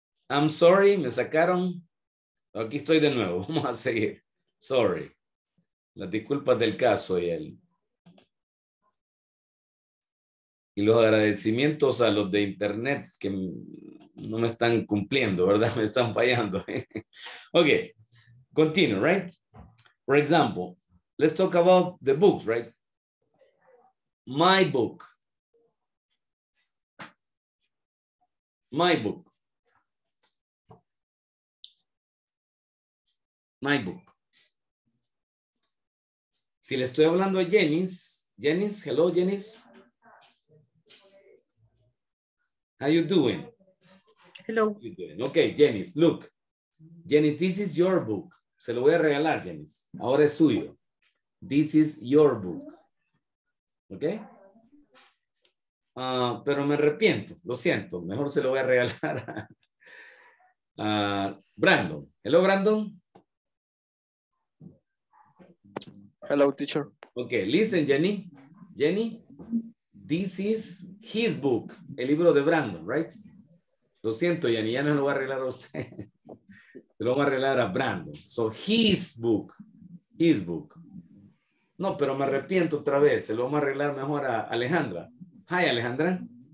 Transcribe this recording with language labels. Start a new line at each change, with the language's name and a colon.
English: I'm sorry,
Spanish: me sacaron. Aquí estoy de nuevo, vamos a seguir. Sorry. Las disculpas del caso y el... Y los agradecimientos a los de internet que no me están cumpliendo, ¿verdad? Me están fallando. Ok.
English: Continue, right? For example, let's talk about the books, right? My book.
Spanish: Si le estoy hablando a Jenis,
English: hello,
Spanish: Jenis.
English: How you doing? Hello. Okay, Jenis, look. Jenis, this is your book.
Spanish: Se lo voy a regalar, Jenis. Ahora es suyo.
English: This is your book. Okay?
Spanish: Pero me arrepiento, lo siento. Mejor se lo voy a regalar a Brandon.
English: Hello, Brandon. Hello, teacher. Okay, listen, Jenny. Jenny, this is his book,
Spanish: el libro de Brandon,
English: right?
Spanish: Lo siento, Jenny, ya no lo voy a arreglar a usted. Se lo voy a arreglar a Brandon.
English: So, his book.
Spanish: No, pero me arrepiento otra vez. Se lo vamos a arreglar mejor a Alejandra.
English: Hi, Alejandra.